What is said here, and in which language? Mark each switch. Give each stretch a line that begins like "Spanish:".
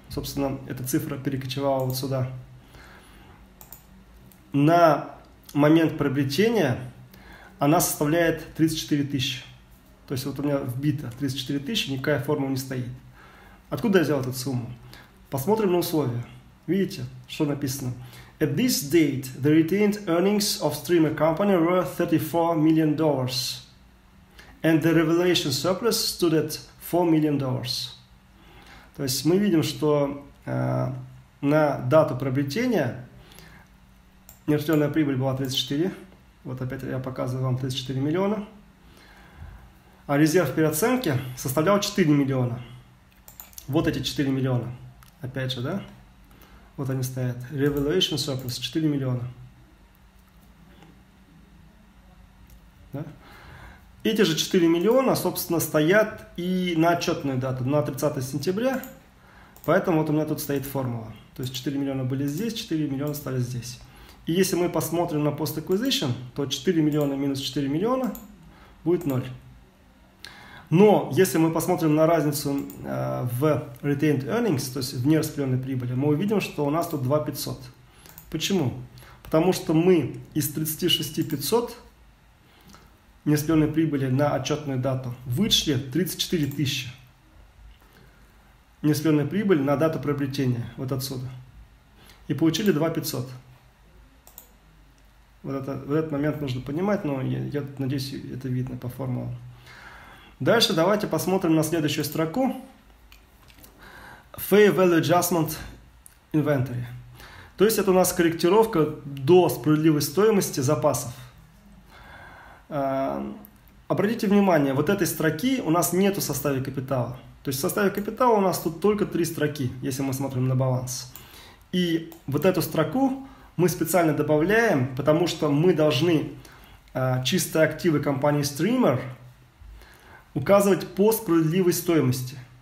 Russian: Собственно, эта цифра перекочевала вот сюда. На момент приобретения она составляет 34 тысячи. То есть вот у меня вбито 34 тысячи, никакая формула не стоит. Откуда я взял эту сумму? Посмотрим на условия. Видите, что написано?
English: At this date, the retained earnings of Streamr Company were $34 million, and the revelation surplus stood at $4 million.
Russian: То есть мы видим, что на дату приобретения нерастворенная прибыль была 34. Вот опять я показываю вам 34 миллиона. А резерв переоценки составлял 4 миллиона. Вот эти 4 миллиона. Опять же, да? Вот они стоят. Revaluation surplus 4 миллиона. Да? Эти же 4 миллиона, собственно, стоят и на отчетную дату, на 30 сентября. Поэтому вот у меня тут стоит формула. То есть 4 миллиона были здесь, 4 миллиона стали здесь. И если мы посмотрим на post-acquisition, то 4 миллиона минус 4 миллиона будет 0. Но если мы посмотрим на разницу в retained earnings, то есть в нераспределенной прибыли, мы увидим, что у нас тут 2 500. Почему? Потому что мы из 36 500 нераспределенной прибыли на отчетную дату вычли 34 тысячи нераспределенной прибыли на дату приобретения вот отсюда. И получили 2 500. Вот этот момент нужно понимать, но я надеюсь, это видно по формулам. Дальше давайте посмотрим на следующую строку.
English: Fair Value Adjustment Inventory.
Russian: То есть это у нас корректировка до справедливой стоимости запасов. Обратите внимание, вот этой строки у нас нет в составе капитала. То есть в составе капитала у нас тут только три строки, если мы смотрим на баланс. И вот эту строку мы специально добавляем, потому что мы должны чистые активы компании Streamr указывать по справедливой стоимости.